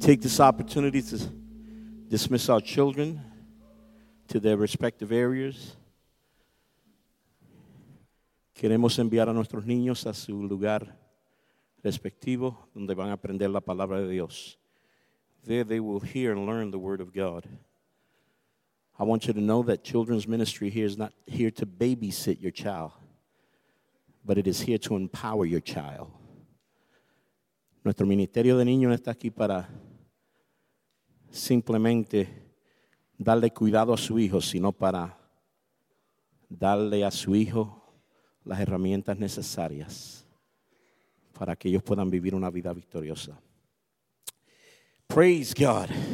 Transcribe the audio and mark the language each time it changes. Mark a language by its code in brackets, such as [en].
[en] Take this opportunity to dismiss our children to their respective areas. [es] Queremos enviar a nuestros niños a su lugar respectivo donde van a aprender la palabra de Dios. [en] There they will hear and learn the word of God. I want you to know that children's ministry here is not here to babysit your child, but it is here to empower your child. [es] Nuestro ministerio de niños está aquí para simplemente darle cuidado a su hijo, sino para darle a su hijo las herramientas necesarias para que ellos puedan vivir una vida victoriosa. [en] Praise God.